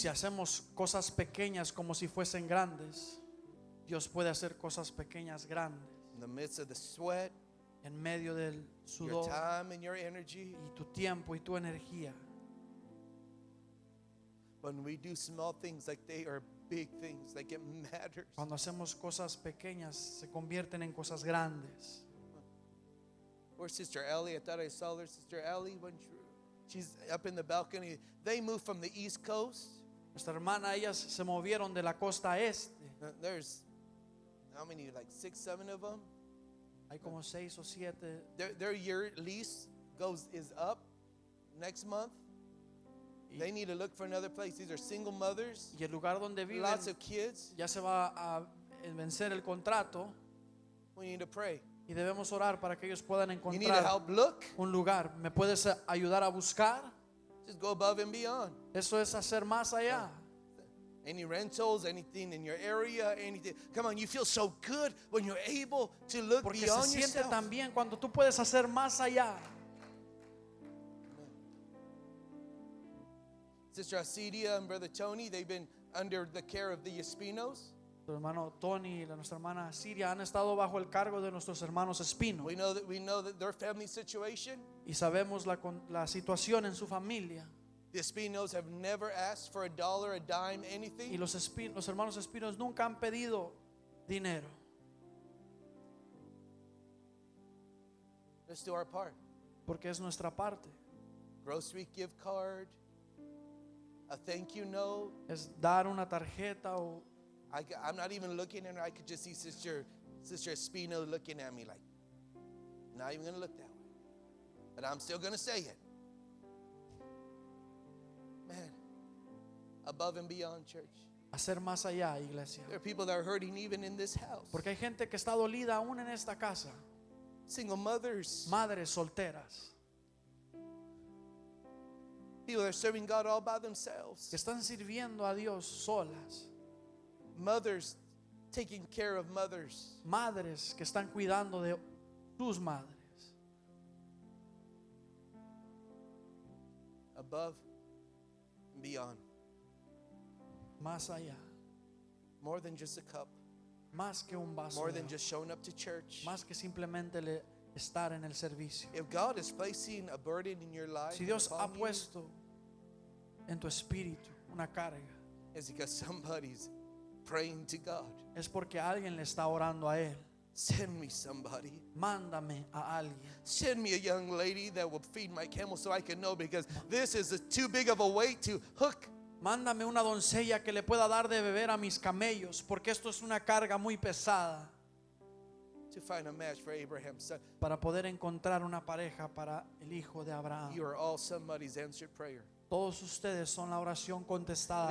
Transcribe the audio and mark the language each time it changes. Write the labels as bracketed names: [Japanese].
[Spanish] Si hacemos cosas pequeñas como si fuesen grandes, Dios puede hacer cosas pequeñas grandes. [English] In the midst of the sweat, [Spanish] en medio del sudor, [English] your time and your energy, [Spanish] y tu tiempo y tu energía. [English] When we do small things like they are big things, like it matters. [Spanish] Cuando hacemos cosas pequeñas se convierten en cosas grandes. [English] Where's Sister Ellie? I thought I saw her. Sister Ellie, when she's up in the balcony. They moved from the East Coast. [Spanish] Nuestra hermana, ellas se movieron de la costa este. [English] There's how many? Like 6, 7 of them. [Spanish] Hay como 6 o 7. [English] Their year lease is up next month. They need to look for another place. These are single mothers. [Spanish] Y el lugar donde viven. [English] Lots of kids. [Spanish] Ya se va a vencer el contrato. [English] We need to pray. [Spanish] Y debemos orar para que ellos puedan encontrar un lugar. ¿Me puedes ayudar a buscar? [English] Just go above and beyond. [Spanish] Eso es hacer más allá. [English] Any rentals, anything in your area, anything. Come on, you feel so good when you're able to look [Spanish] porque [English] beyond yourself. [Spanish] Porque se siente tan bien cuando tú puedes hacer más allá. [English] Sister Acidia and Brother Tony, they've been under the care of the Espinos. [Spanish] Tu hermano Tony y nuestra hermana Siria han estado bajo el cargo de nuestros hermanos Espino. [English] We know that their family situation. [Spanish] Y sabemos la situación en su familia. [English] The Espinos have never asked for a dollar, a dime, anything. [Spanish] Y los hermanos Espinos nunca han pedido dinero. [English] Let's do our part. [Spanish] Porque es nuestra parte. [English] Grocery gift card, a thank you note. [Spanish] Es dar una tarjeta o. [English] I'm not even looking at her. I could just see Sister Espino looking at me like, not even going to look that way. But I'm still going to say it. Man, above and beyond, church. [Spanish] Hacer más allá, iglesia. [English] There are people that are hurting even in this house. [Spanish] Porque hay gente que está dolida aún en esta casa. [English] Single mothers. [Spanish] Madres solteras. [English] People that are serving God all by themselves. [Spanish] Que están sirviendo a Dios solas. [English] Mothers taking care of mothers. [Spanish] Madres que están cuidando de sus madres. [English] Above and beyond. [Spanish] Más allá. [English] More than just a cup. [Spanish] Más que un vaso. [English] More than just showing up to church. [Spanish] Más que simplemente le estar en el servicio. [English] If God is placing a burden in your life, [Spanish] si Dios ha puesto en tu espíritu una carga, [English] it's because somebody's praying to God. [Spanish] Es porque alguien le está orando a él. [English] Send me somebody. [Spanish] Mándame a alguien. [English] Send me a young lady that will feed my camel so I can know, because this is too big of a weight to hook. [Spanish] Mándame una doncella que le pueda dar de beber a mis camellos, porque esto es una carga muy pesada. [English] To find a match for Abraham's son. [Spanish] Para poder encontrar una pareja para el hijo de Abraham. [English] You are all somebody's answered prayer. [Spanish] Todos ustedes son la oración contestada.